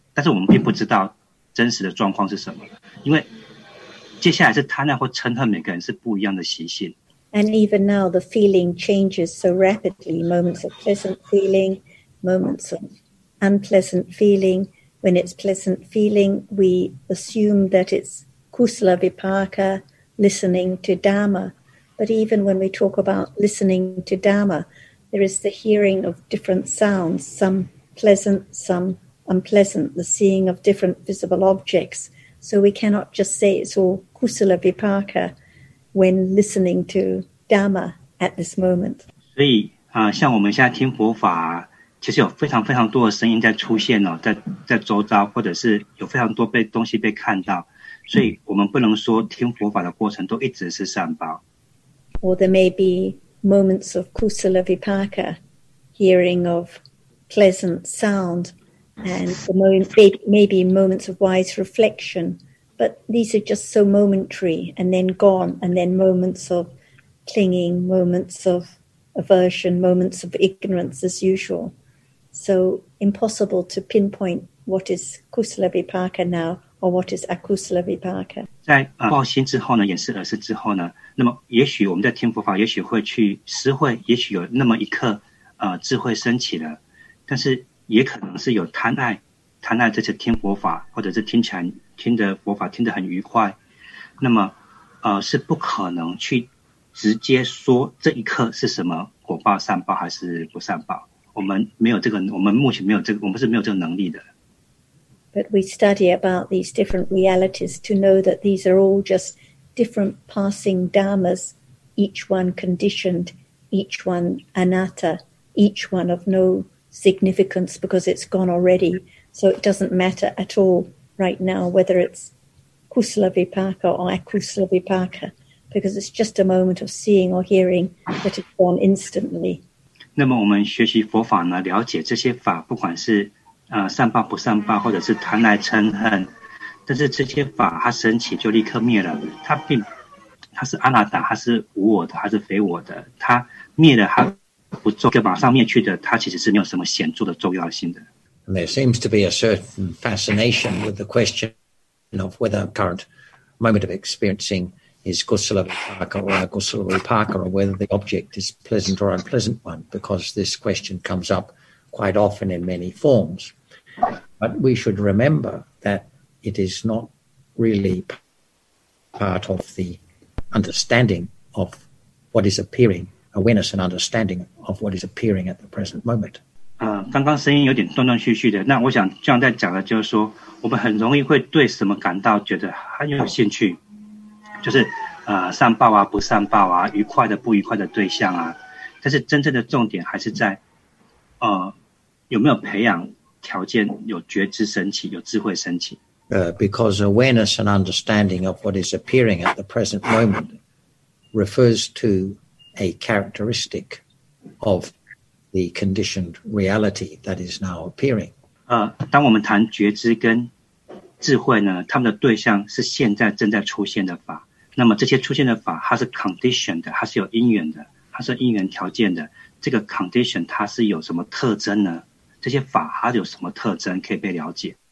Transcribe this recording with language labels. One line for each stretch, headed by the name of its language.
Chinese: 但是我们并不知道真实的状况是什么。因为接下来是贪婪或嗔恨，每个人是不一样的习性。
English: And even now, the feeling changes so rapidly. Moments of pleasant feeling, moments of unpleasant feeling. When it's pleasant feeling, we assume that it's kusala vipaka, listening to dharma. But even when we talk about listening to dharma, there is the hearing of different sounds, some pleasant, some unpleasant, the seeing of different visible objects. So we cannot just say it's all kusala vipaka when listening to dharma at this moment.
Chinese: 所以像我们现在听佛法，其实有非常非常多的声音在出现哦，在周遭，或者是有非常多被东西被看到，所以我们不能说听佛法的过程都一直是善报。
English: Or there may be moments of kusala vipaka, hearing of pleasant sound. And the moment, maybe moments of wise reflection, but these are just so momentary and then gone, and then moments of clinging, moments of aversion, moments of ignorance as usual. So impossible to pinpoint what is kusala vipaka now or what is akusala vipaka.
Chinese: 在报心之后呢，眼识耳识之后呢，那么也许我们在听佛法，也许会去思会，也许有那么一刻智慧升起了，但是。也可能是有贪爱这些听佛法，或者是听的佛法很愉快，那么是不可能去直接说这一刻是什么果报善报还是不善报，我们目前没有这个能力的。
English: But we study about these different realities to know that these are all just different passing dharmas, each one conditioned, each one anatta, each one of no. significance because it's gone already, so it doesn't matter at all right now whether it's kusala vipaka or akusala vipaka, because it's just a moment of seeing or hearing that is born instantly.
Chinese: 那么我们学习佛法呢，了解这些法，不管是善报不善报，或者是贪爱嗔恨，但是这些法它升起就立刻灭了，它是阿那达，它是无我的，它是非我的，它灭了它不重，就马上灭去的，它其实是没有什么显著的重要性的。
English: And there seems to be a certain fascination with the question of whether current moment of experiencing is kusala vipaka or akusala vipaka, or whether the object is pleasant or unpleasant one, because this question comes up quite often in many forms. But we should remember that it is not really part of the understanding of what is appearing, awareness and understanding of what is appearing at the present moment.
Chinese: 刚刚声音有点断断续续的，那我想这样在讲的就是说，我们很容易会对什么感到觉得很有兴趣，就是善报啊不善报啊，愉快的不愉快的对象啊，但是真正的重点还是在有没有培养条件，有觉知升起，有智慧升起。
English: Because awareness and understanding of what is appearing at the present moment refers to a characteristic of the conditioned reality that is now appearing.
Chinese: 当我们谈觉知跟智慧呢，他们的对象是现在正在出现的法。那么这些出现的法，它是 conditioned 的，它是有因缘的，它是因缘条件的。这个 condition 它是有什么特征呢？这些法它有什么特征可以被了解？